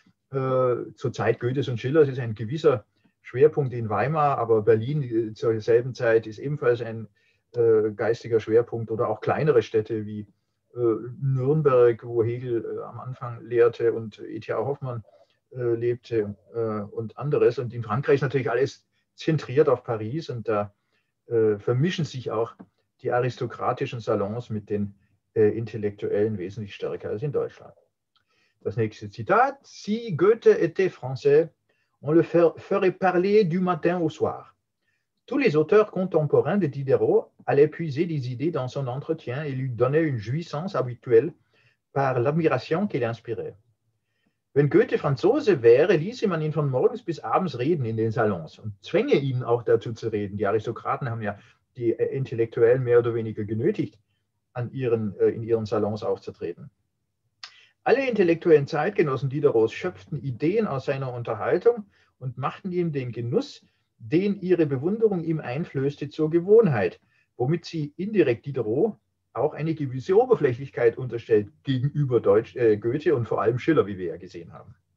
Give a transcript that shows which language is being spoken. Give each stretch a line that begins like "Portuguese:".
German: Zur Zeit Goethes und Schillers ist ein gewisser Schwerpunkt in Weimar, aber Berlin zur selben Zeit ist ebenfalls ein geistiger Schwerpunkt, oder auch kleinere Städte wie Nürnberg, wo Hegel am Anfang lehrte und E.T.A. Hoffmann lebte und anderes. Und in Frankreich ist natürlich alles zentriert auf Paris, und da vermischen sich auch die aristokratischen Salons mit den Intellektuellen wesentlich stärker als in Deutschland.
French: Das nächste Zitat: Si Goethe était français, on le ferait parler du matin au soir. Tous les auteurs contemporains de Diderot allaient puiser des idées dans son entretien et lui donnaient une jouissance habituelle par l'admiration qu'il inspirait.
German: Wenn Goethe Franzose wäre, ließe man ihn von morgens bis abends reden in den Salons und zwänge ihn auch dazu zu reden. Die Aristokraten haben ja die Intellektuellen mehr oder weniger genötigt, in ihren Salons aufzutreten. Alle intellektuellen Zeitgenossen Diderots schöpften Ideen aus seiner Unterhaltung und machten ihm den Genuss, den ihre Bewunderung ihm einflößte, zur Gewohnheit, womit sie indirekt Diderot auch eine gewisse Oberflächlichkeit unterstellt gegenüber Goethe und vor allem Schiller, wie wir ja gesehen haben.